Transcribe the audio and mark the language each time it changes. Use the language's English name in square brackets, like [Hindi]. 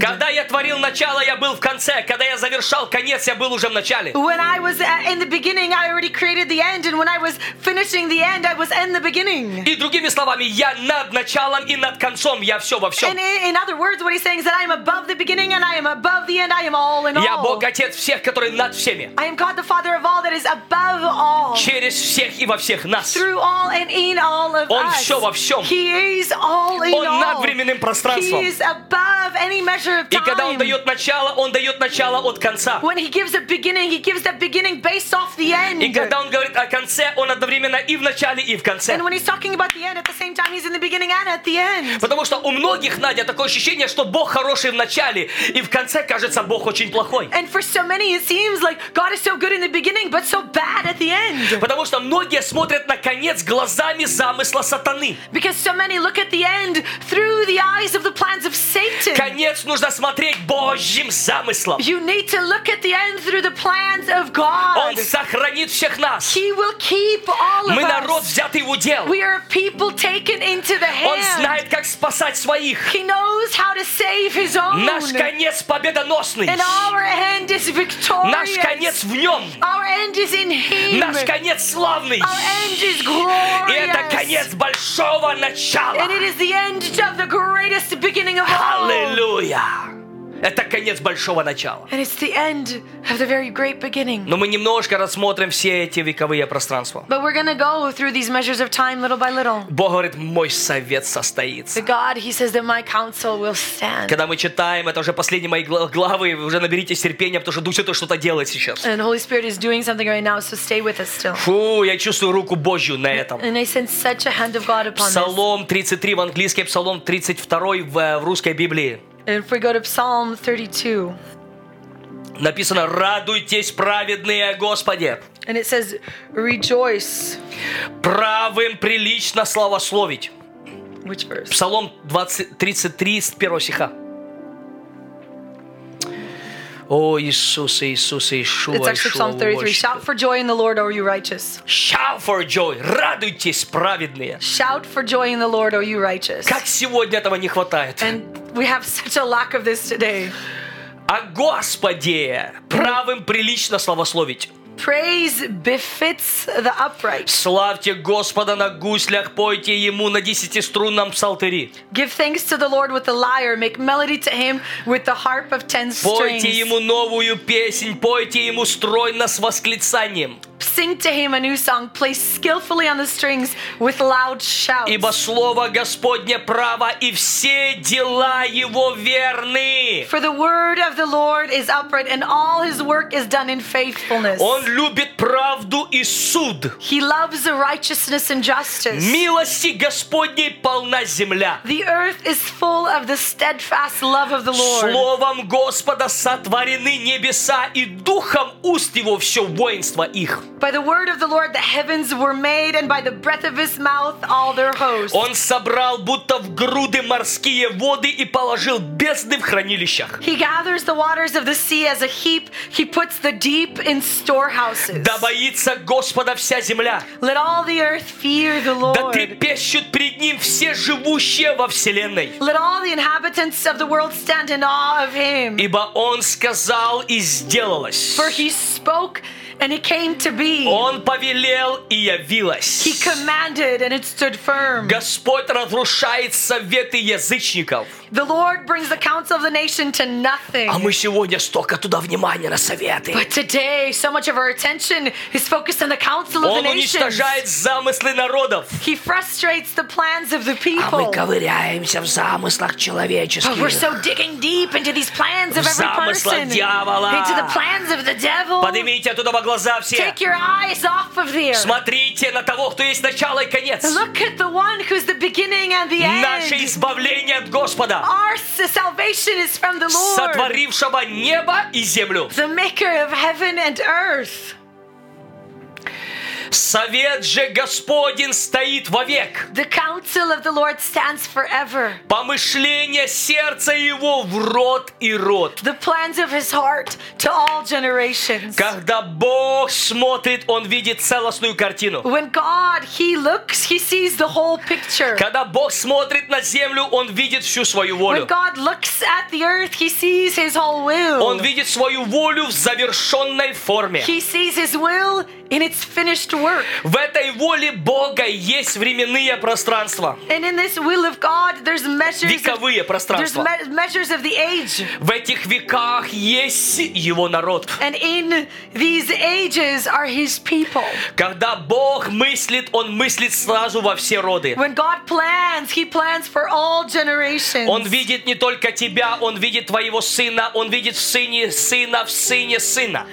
[Russian] Когда я творил начало, я был в конце. Когда я завершал конец, я был уже в начале. [English] When I was in the beginning, I already created the end, and when I was finishing the end, I was in the beginning. [Russian] И другими словами, я над началом и над концом я все во всем. [English] In other words, what he's saying is that I am above the beginning and I am above the end. I am all in all. [Russian] Я Бог Отец всех, который над всеми. [English] I am God the Father of all that is above all. [Russian] Через всех и во всех нас. [English] Through all and in all of us. [Russian] Он все во всем. [English] He is all in all. [Russian] Он над временным пространством. [English] He is above any measure of time. [Russian] И когда он дает начало, он дает начало от конца. [English] When he gives a beginning, he gives that beginning based off the end. [Russian] И когда он говорит о конце, он одновременно и в начале, и в конце. [English] And when he's talking about the end, at the same time he's in the beginning and at the end. [Russian] Потому что у многих, Надя, такое ощущение, что Бог хороший в начале, и в конце кажется Бог очень плохой. [English] And for so many it seems like God is so good in the beginning but so bad at the end. [Russian] Потому что многие смотрят на конец глазами замысла сатаны. [English] Because so many look at the end through the eyes of the plans of Satan. [Russian] Конец нужно смотреть Божьим замыслом. [English] You need to look at the end through the plans of God. [Russian] Он сохранит всех нас. [English] He will keep all of us. [Russian] Мы народ, взятый в удел. [English] We are a people taken into to the hand. [Russian] Он знает, как спасать своих. [English] He knows how to save his own. [Russian] Наш конец победоносный. [English] And our end is victorious. [Russian] Наш конец в нем. [English] Our end is in him. [Russian] Наш конец славный. [English] Our end is glorious. [Russian] И это конец большого начала. [English] And it is the end of the greatest beginning of all. [Russian] Аллилуйя. Это конец большого начала. [English] And it's the end of the very great beginning. [Russian] Но мы немножко рассмотрим все эти вековые пространства. [English] But we're gonna go through these measures of time little by little. [Russian] Бог говорит, мой совет состоится. [English] The God, he says that my counsel will stand. [Russian] Когда мы читаем, это уже последние мои главы, уже наберитесь терпения, потому что Дух Святой что-то делает сейчас. [English] And Holy Spirit is doing something right now, so stay with us still. [Russian] Фу, я чувствую руку Божью на этом. [English] And I sense such a hand of God upon Psalm 33 [Russian] в английском, Псалом 32 в русской Библии. [English] And if we go to Psalm 32, [Russian] написано, радуйтесь, праведные, Господи. [English] And it says, rejoice. [Russian] Правым прилично славословить. [English] Which verse? [Russian] Псалом 33, 1 стиха. О, Иисус, Иисус, Иешуа, [English] It's actually Psalm 33. Shout for joy in the Lord, O you righteous. Shout for joy. [Russian] Радуйтесь, праведные. [English] Shout for joy in the Lord, O you righteous. [Russian] Как сегодня этого не хватает. [English] And we have such a lack of this today. [Russian] О Господе, правым прилично славословить. [English] Praise befits the upright. [Russian] Славьте Господа на гуслях, пойте ему на десятиструнном псалтыри. [English] Give thanks to the Lord with the lyre, make melody to him with the harp of 10 strings. [Russian] Пойте ему новую песнь, пойте ему стройно с восклицанием. [English] Sing to him a new song, play skillfully on the strings with loud shouts. [Russian] Ибо слово Господне право, и все дела его верны. [English] For the word of the Lord is upright, and all his work is done in faithfulness. [Russian] Он любит правду и суд. [English] He loves righteousness and justice. [Russian] Милости Господней полна земля. [English] The earth is full of the steadfast love of the Lord. [Russian] Словом Господа сотворены небеса, и духом уст его все воинство их. [English] By the word of the Lord the heavens were made, and by the breath of his mouth all their hosts. [Russian] Он собрал будто в груды морские воды и положил бездны в хранилищах. [English] He gathers the waters of the sea as a heap, he puts the deep in storehouses. [Russian] Да боится Господа вся земля. [English] Let all the earth fear the Lord. [Russian] Да трепещут пред ним все живущие во вселенной. [English] Let all the inhabitants of the world stand in awe of him. [Russian] Ибо он сказал и сделалось. [English] For he spoke and it came to be. [Russian] Он повелел и явилось. [English] He commanded and it stood firm. [Russian] Господь разрушает советы язычников. [English] The Lord brings the counsel of the nation to nothing. [Russian] А мы сегодня столько туда внимания на советы. [English] But today, so much of our attention is focused on the counsel of the nations. [Russian] Он уничтожает замыслы народов. [English] He frustrates the plans of the people. [Russian] А мы ковыряемся в замыслах человеческих. [English] But we're so digging deep into these plans of every person. [Russian] В замыслах дьявола. [English] Into the plans of the devil. [Russian] Поднимите оттуда во глаза все. [English] Take your eyes off of there. [Russian] Смотрите на того, кто есть начало и конец. [English] Look at the one who's the beginning and the end. [Russian] Наше избавление от Господа. [English] Our salvation is from the Lord, [Russian] сотворившего небо и землю. [English] The maker of heaven and earth. [Russian] Совет же Господень стоит вовек. [English] The counsel of the Lord stands forever. [Russian] Помышления сердца его в род и род. [English] The plans of his heart to all generations. [Russian] Когда Бог смотрит, он видит целостную картину. [English] When God, he looks, he sees the whole picture. [Russian] Когда Бог смотрит на землю, он видит всю свою волю. [English] When God looks at the earth, he sees his whole will. [Russian] Он видит свою волю в завершенной форме. [English] He sees his will in its finished work. [Russian] В этой воле Бога есть временные пространства. [English] And in this will of God, there's measures. [Russian] Вековые пространства. [English] There's measures of the age. [Russian] В этих веках есть его народ. [English] And in these ages are his people. [Russian] Когда Бог мыслит, он мыслит сразу во все роды. [English] When God plans, he plans for all generations. [Russian] Он видит не только тебя, он видит твоего сына, он видит в сыне сына, в сыне сына.